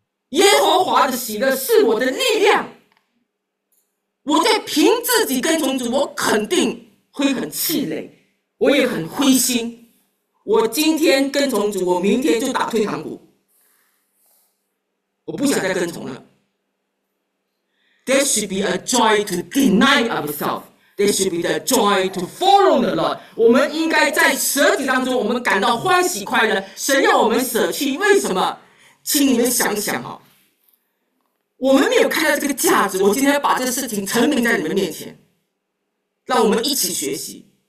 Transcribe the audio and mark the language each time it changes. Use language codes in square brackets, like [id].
[zh] 耶和华的喜乐是我的力量。我在凭自己跟从主，我肯定会很气馁，我也很灰心。我今天跟从主，我明天就打退堂鼓，我不想再跟从了。 [en] There should be a joy to deny ourselves. There should be the joy to follow the Lord. [zh] 我们应该在舍己当中，我们感到欢喜快乐。神要我们舍弃，为什么？请你们想想哦，我们没有看到这个价值。我今天要把这个事情陈明在你们面前，让我们一起学习。